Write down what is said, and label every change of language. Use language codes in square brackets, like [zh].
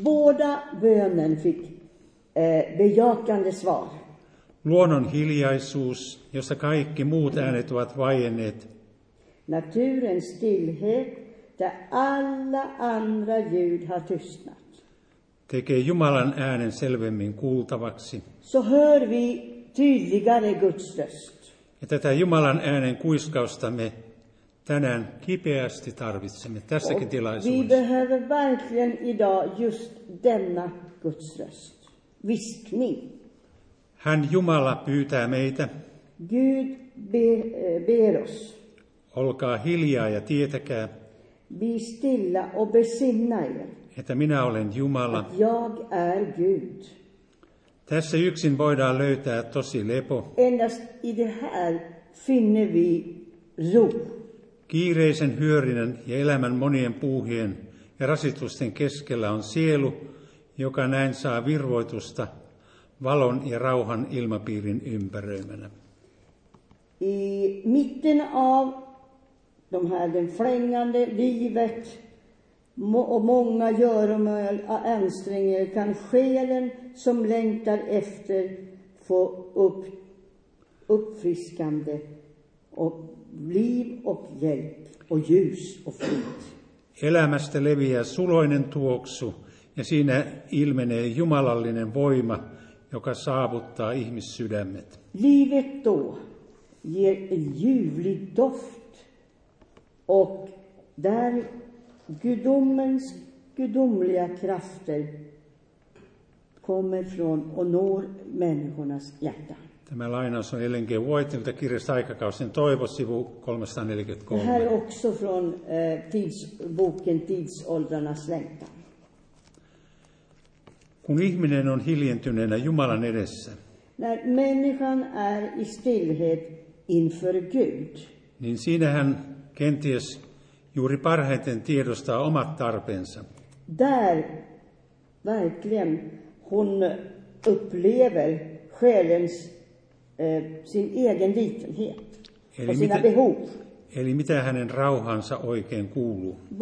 [sv] Båda bönen fick bejakande svar. [fi] Luonnon hiljaisuus, jossa kaikki muut äänet ovat vaienneet. [sv] Naturen stillhet, där alla andra ljud har tystnat. [fi] Tekee Jumalan äänen selvemmin kuultavaksi. [sv] Så hör vi tydligare Guds röst. [fi] Ja tätä Jumalan äänen kuiskausta me tänään kipeästi tarvitsemme tässäkin tilaisuudessa. [sv] Vi behöver verkligen idag just denna Guds röst. Viskning. [fi] Hän Jumala pyytää meitä. [sv] Gud ber oss. [fi] Olkaa hiljaa ja tietäkää. [sv] Be stilla och besinna er. [fi] Että minä olen Jumala. [sv] Att jag är Gud. [fi] Tässä yksin voidaan löytää tosi lepo. [sv] Endast i det här finner vi ro. [fi] Kiireisen hyörinen ja elämän monien puuhien ja rasitusten keskellä on sielu, joka näin saa virvoitusta valon ja rauhan ilmapiirin ympäröimänä. [sv] I mitten av de här den flängande livet och många göromöl och ansträngningar kan själen som längtar efter få uppfriskande och liv och hjälp och ljus och frid. [fi] Elämästä leviää suloinen tuoksu. Ja siinä ilmenee jumalallinen voima, joka saavuttaa ihmissydämet. [sv] Livet då ger en ljuvlig doft och där gudomens gudomliga krafter kommer från och når människornas hjärta. [fi] Tämä lainaus on Ellen G. Whitelta kirjasta Aikakausin toivo, sivu 343. [sv] Det här också från boken Tidsåldrarnas längtan. [fi] Kun ihminen on hiljentyneenä Jumalan edessä. [sv] När människan är i stillhet inför Gud. [fi] Niin siinä hän kenties juuri parhaiten tiedostaa omat tarpeensa. [sv] Där verkligen hon upplever själens sin egen litenhet och sina behov. [fi] Eli mitä hänen rauhansa oikein kuuluu?